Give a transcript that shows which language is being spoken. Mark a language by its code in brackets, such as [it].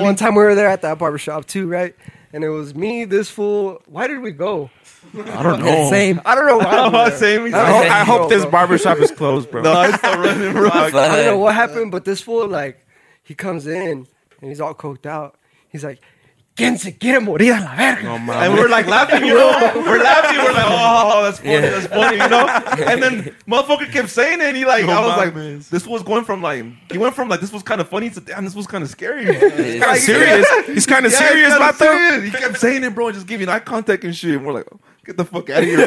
[en] One time we were there at that barbershop too, right? And it was me, this fool. Why did we go? I don't know. Same. I don't know why. I same. I hope this barbershop is closed, bro. No, it's the running rug. I don't know what happened, but this fool, like, he comes in and he's all coked out. [es] He's like, ¿Quién se quiere morir a la verga? [en] Oh, and we're like laughing, you know? We're laughing. We're like, oh, that's funny. Yeah. That's funny, you know? And then motherfucker kept saying it. And he like, oh, I was like, man. This was going from like, he went from like, this was kind of funny to damn, this was kind of scary. He's kind of serious. He's kind of serious about that. He kept saying it, bro, and just giving eye contact and shit. And we're like, get the fuck out of here.